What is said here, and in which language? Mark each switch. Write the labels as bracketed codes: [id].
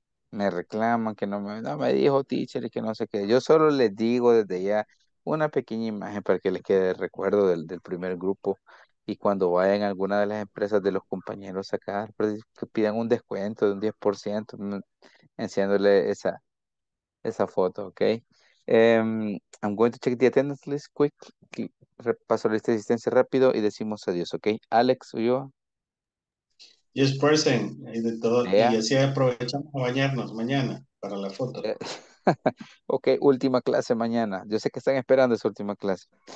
[es] Me reclaman que no me dijo teacher y que no sé qué. Yo solo les digo desde ya una pequeña imagen para que les quede el recuerdo del primer grupo. Y cuando vayan a alguna de las empresas de los compañeros acá, que pidan un descuento de un 10%, enseñándole esa foto, ¿ok? [en] I'm going to check the attendance list quick. [es] Paso la lista de asistencia rápido y decimos adiós, ¿ok? Alex, ¿yo? [en] Yes, person. [es] Y así aprovechamos a bañarnos mañana para la foto. Ok, última clase mañana. Yo sé que están esperando esa última clase.